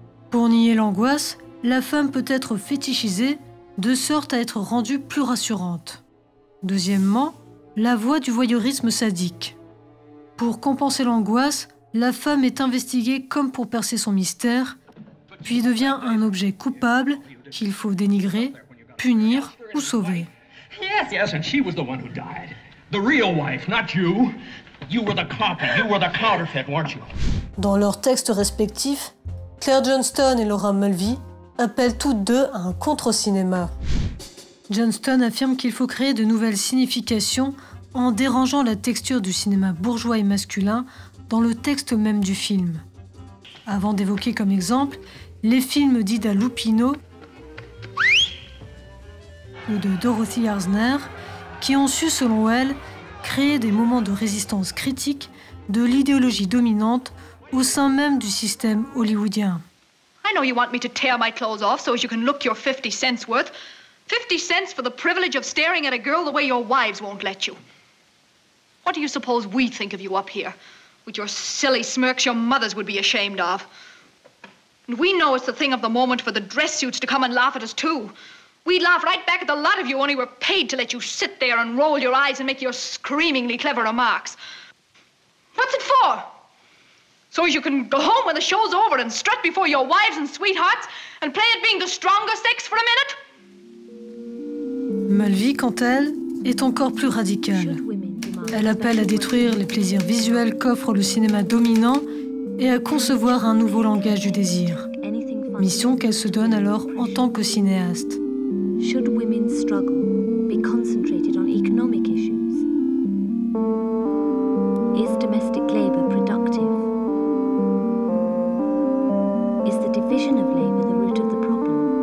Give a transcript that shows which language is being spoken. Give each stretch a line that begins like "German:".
French: Pour nier l'angoisse, la femme peut être fétichisée de sorte à être rendue plus rassurante. Deuxièmement, la voie du voyeurisme sadique. Pour compenser l'angoisse, la femme est investiguée comme pour percer son mystère, puis devient un objet coupable qu'il faut dénigrer, punir ou sauver.
English: Yes, and she was the one who died. The real wife, not you. You were the copy, you were the counterfeit, weren't you?
French: Dans leurs textes respectifs, Claire Johnston et Laura Mulvey appellent toutes deux à un contre-cinéma. Johnston affirme qu'il faut créer de nouvelles significations en dérangeant la texture du cinéma bourgeois et masculin dans le texte même du film. Avant d'évoquer comme exemple les films d'Ida Lupino ou de Dorothy Arzner, qui ont su, selon elle, créer des moments de résistance critique de l'idéologie dominante au sein même du système hollywoodien.
English: I know you want me to tear my clothes off so you can look your 50 cents worth. 50 cents for the privilege of staring at a girl the way your wives won't let you. What do you suppose we think of you up here? With your silly smirks your mothers would be ashamed of. And we know it's the thing of the moment for the dress suits to come and laugh at us too. We'd laugh right back at the lot of you, only we're paid to let you sit there and roll your eyes and make your screamingly clever remarks. What's it for? So you can go home when the show's over and strut before your wives and sweethearts and play at being the stronger sex for a minute?
French: Mulvey, quant à elle, est encore plus radicale. Elle appelle à détruire les plaisirs visuels qu'offre le cinéma dominant et à concevoir un nouveau langage du désir. Mission qu'elle se donne alors en tant que cinéaste.
English: Should women's struggle be concentrated on economic issues? Is domestic labor productive? Is the division of labor the root of the problem?